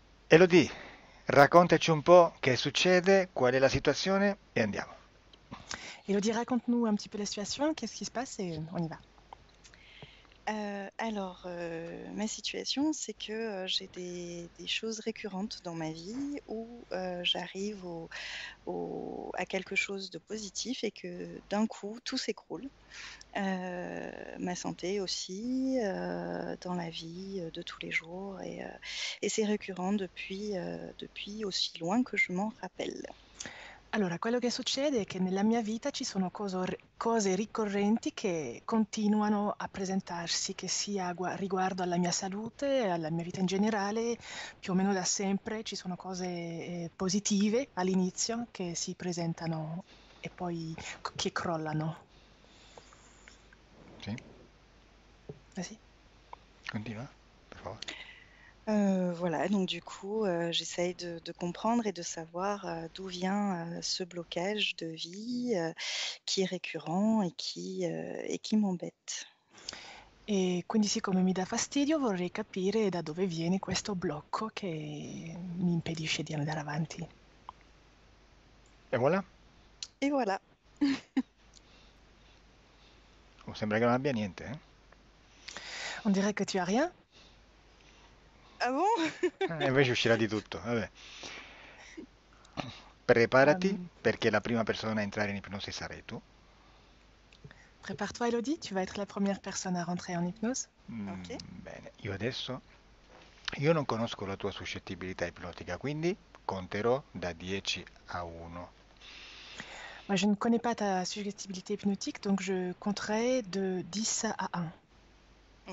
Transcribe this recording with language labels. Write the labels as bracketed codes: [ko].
[it] Elodie, raccontaci un po' che succede, qual è la situazione e andiamo. [fr] Elodie, raconte-nous un petit peu la situation, qu'est-ce qui se passe et on y va. Ma situation, c'est que j'ai des choses récurrentes dans ma vie où j'arrive à quelque chose de positif et que d'un coup, tout s'écroule. Ma santé aussi, dans la vie de tous les jours. Et c'est récurrent depuis aussi loin que je m'en rappelle. [it] Allora, quello che succede è che nella mia vita ci sono cose ricorrenti che continuano a presentarsi, che sia riguardo alla mia salute, alla mia vita in generale, più o meno da sempre ci sono cose positive all'inizio che si presentano e poi che crollano. Eh sì? Continua, per favore. [fr] Voilà, donc du coup, j'essaye de comprendre et de savoir d'où vient ce blocage de vie qui est récurrent et qui m'embête. [it] E quindi, siccome mi dà fastidio, vorrei capire da dove viene questo blocco che mi impedisce di andare avanti. E voilà. [fr] Et voilà. [it] Sembra che non abbia niente, eh? [fr] On dirait que tu as rien. Ah bon? [it] Invece uscirà di tutto, vabbè. Preparati, perché la prima persona a entrare in ipnosi sarai tu. [fr] Prépare-toi, Elodie, tu vas être la première personne à rentrer en hypnose. Ok. [it] Bene, io non conosco la tua suscettibilità ipnotica, quindi conterò da 10 a 1. [fr] Moi, je ne connais pas ta suggestibilité hypnotique, donc je compterai de 10 à 1.